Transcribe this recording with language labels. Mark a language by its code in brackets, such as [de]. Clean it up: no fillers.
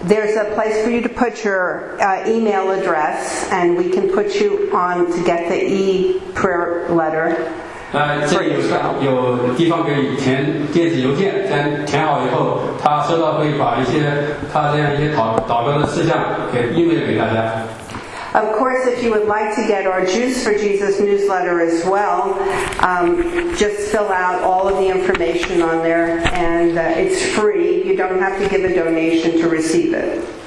[en] ，There's a place for you to put your email address, and we can put you on to get the e-prayer letter. [zh] 这里有地方可以填电子邮件，但填好以后，他收到会把一些他这样一些祷告的事项给 email 给大家。 [en] Of course, if you would like to get our Jews for Jesus newsletter as well, just fill out all of the information on there, and it's free. You don't have to give a donation to receive it.